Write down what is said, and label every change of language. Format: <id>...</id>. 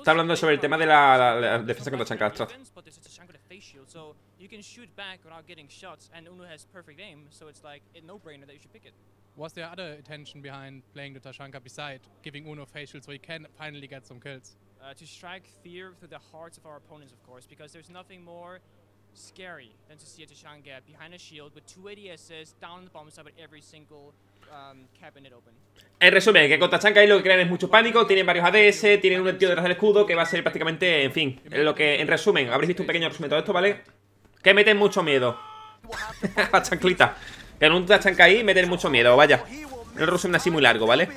<es>Está hablando sobre el tema de la defensa contra Tachanka.</es> <en>So you can shoot back without getting shots and Uno has perfect aim, so it's like a no-brainer that you should pick it. Was there other intention behind playing the Tachanka besides giving Uno facial so he can finally get some kills? To strike fear through the hearts of our opponents, of course, because there's nothing more scary than to see a Tachanka behind a shield with two ADSs down on the bomb side with every single cabinet open.</en> <es>En resumen, que con Tachanka ahí lo que crean es mucho pánico, tienen varios ADS, tienen un tío detrás del escudo que va a ser prácticamente, en fin, lo que, en resumen, habréis visto un pequeño resumen de todo esto, ¿vale? Que meten mucho miedo. A chanclita. Que en un Tachanka ahí meten mucho miedo, vaya. No es un resumen así muy largo, ¿vale?</es>